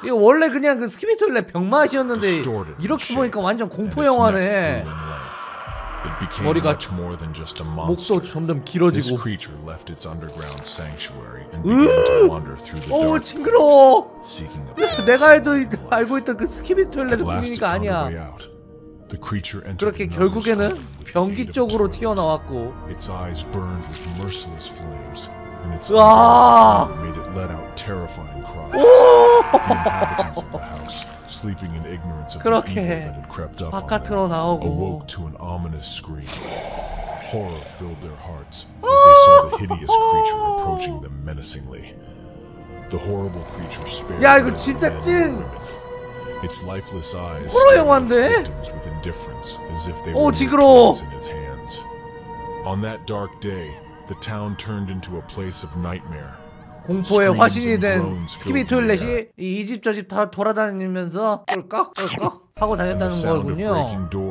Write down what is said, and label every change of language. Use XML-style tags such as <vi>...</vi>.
<ko>이거 원래 그냥 그 스키비 토일렛 병맛이었는데 이렇게 보니까 완전 공포 영화네.</ko> <en>It became much more than just a monster. This creature left its underground sanctuary and began to wander through the darkness.</en> <ko>오, 징그러워.</ko> <en>Seeking a path to life.</en> <ko>내가 해도 알고 있던 그 스키비 토일렛 공기가 아니야. 그렇게 결국에는 변기 쪽으로 튀어나왔고.</ko> <en>Its eyes burned with merciless flames, and its roar made it let out terrifying cries. The inhabitants of the house. Sleeping in ignorance of the evil that had crept up on them, awoke to an ominous scream. Horror filled their hearts as they saw the hideous creature approaching them menacingly. The horrible creature spared the men and women. Its lifeless eyes stared at its victims with indifference, as if they were tools in its hands. On that dark day, the town turned into a place of nightmare.</en> <ko>공포의 화신이 된 스키비 토일렛이 이 집 저 집 다 돌아다니면서 꿀꺽꿀꺽 하고 다녔다는 거군요.</ko>